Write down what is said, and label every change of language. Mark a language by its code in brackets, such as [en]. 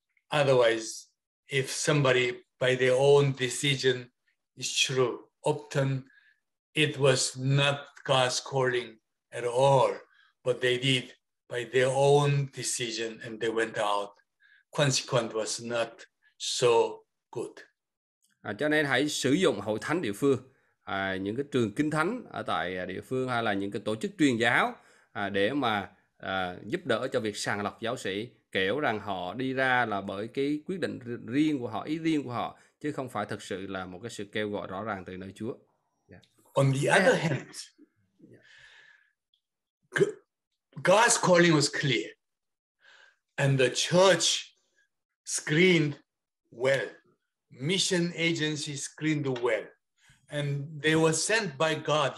[en] Otherwise, if somebody by their own decision is true, often it was not God's calling at all, but they did by their own decision and they went out. Consequent was not so good. [vi] Cho nên hãy sử dụng hội thánh địa phương, những cái trường kinh thánh ở tại địa phương, hay là những cái tổ chức truyền giáo, để mà giúp đỡ cho việc sàng lọc giáo sĩ, kiểu rằng họ đi ra là bởi cái quyết định riêng của họ, ý riêng của họ, chứ không phải thực sự là một cái sự kêu gọi rõ ràng từ nơi Chúa. [en] Yeah. On the other hand, God's calling was clear, and the church screened well, mission agency screened well, and they were sent by God.